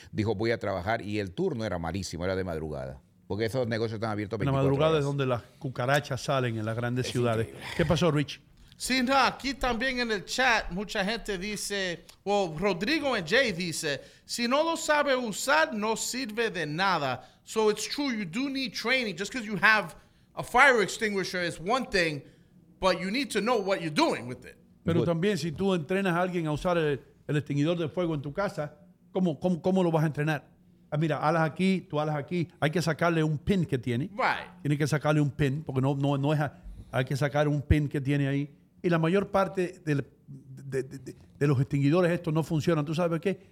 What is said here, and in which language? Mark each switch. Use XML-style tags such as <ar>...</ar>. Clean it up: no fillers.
<es>Dijo, voy a trabajar y el turno era malísimo, era de madrugada. Porque esos negocios están abiertos 24 horas. La madrugada es donde las cucarachas salen en las grandes ciudades. Increíble. ¿Qué pasó, Rich? Sí, no, aquí también en el chat mucha gente dice, Rodrigo y Jay dice, si no lo sabe usar, no sirve de nada.</es> <en>So it's true, you do need training just because you have... A fire extinguisher is one thing, but you need to know what you're doing with it.</en> <es>Pero también si tú entrenas a alguien a usar el extinguidor de fuego en tu casa, ¿cómo lo vas a entrenar? Ah, mira, alas aquí, tú alas aquí. Hay que sacarle un pin que tiene.</es> <en>Right.</en> <es>Tiene que sacarle un pin, porque no es... Hay que sacar un pin que tiene ahí. Y la mayor parte de los extinguidores estos no funcionan. ¿Tú sabes qué?</es>